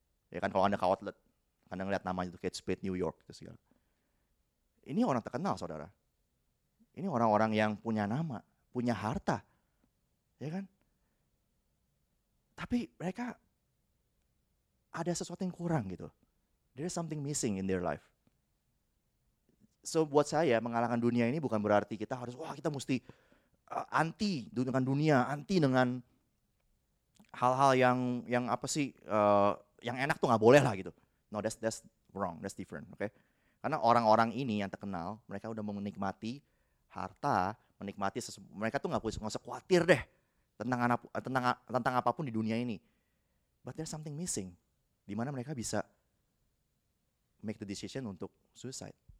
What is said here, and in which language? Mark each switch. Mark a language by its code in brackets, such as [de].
[id] Ya kan, kalau Anda ke outlet, Anda ngeliat namanya itu Kate Spade New York. Gitu segala. Ini orang terkenal, saudara. Ini orang-orang yang punya nama, punya harta. Ya kan? Tapi mereka ada sesuatu yang kurang gitu. [en] There is something missing in their life. [id] So buat saya, mengalahkan dunia ini bukan berarti kita harus, wah kita mesti anti dengan dunia, anti dengan hal-hal yang apa sih, yang enak tuh gak boleh lah gitu. [en] No, that's wrong, that's different. [id] Okay? Karena orang-orang ini yang terkenal, mereka udah menikmati harta, menikmati mereka tuh gak usah khawatir deh tentang apapun di dunia ini. [en] But there's something missing. [id] Di mana mereka bisa [en] make the decision [id] untuk suicide.